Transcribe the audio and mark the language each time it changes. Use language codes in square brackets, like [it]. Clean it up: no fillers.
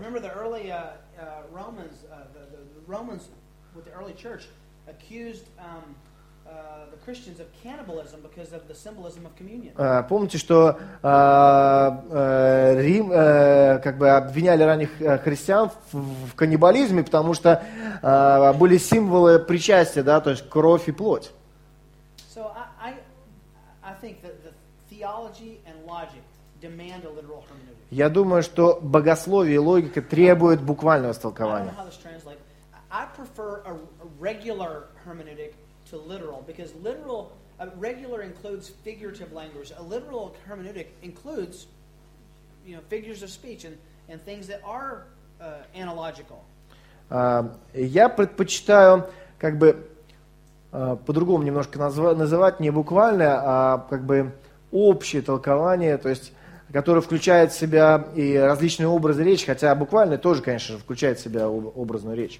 [en] Remember the early Romans, the Romans with the early church accused the Christians of cannibalism because of the symbolism of communion. [ru] Помните, что Рим как бы обвиняли ранних христиан в каннибализме, потому что были символы причастия, да, то есть кровь и плоть. [en] So I think that the theology and logic demand a literal hermeneutic. [ru] Я думаю, что богословие и логика требуют буквального истолкования. [en] I don't know how this translates. I prefer a regular hermeneutic to literal, because literal, regular includes figurative language. A literal hermeneutic includes, you know, figures of speech and things that are analogical. [ru] Я предпочитаю как бы по-другому немножко называть не буквальное, а как бы общее толкование, то есть который включает в себя и различные образы речи, хотя буквально тоже, конечно же, включает в себя образную